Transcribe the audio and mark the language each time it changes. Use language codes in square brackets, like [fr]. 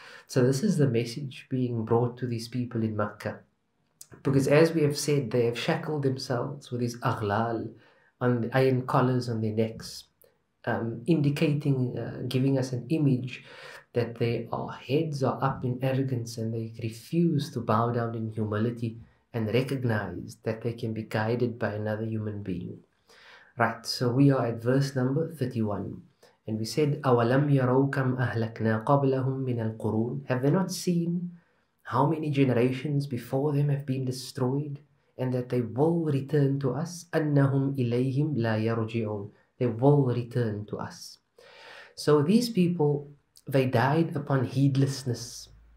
[en] So this is the message being brought to these people in Makkah, because as we have said, they have shackled themselves with these aghlal, on the iron collars on their necks, indicating, giving us an image that their heads are up in arrogance and they refuse to bow down in humility and recognize that they can be guided by another human being. Right, so we are at verse number 31. And we said, [ar] أَوَلَمْ يَرَوْ كَمْ أَهْلَكْنَا قَبْلَهُمْ مِنَ الْقُرُونَ. [en] Have they not seen how many generations before them have been destroyed, and that they will return to us? [ar] أَنَّهُمْ إِلَيْهِمْ لَا يَرْجِعُونَ. [en] They will return to us. So these people, they died upon heedlessness.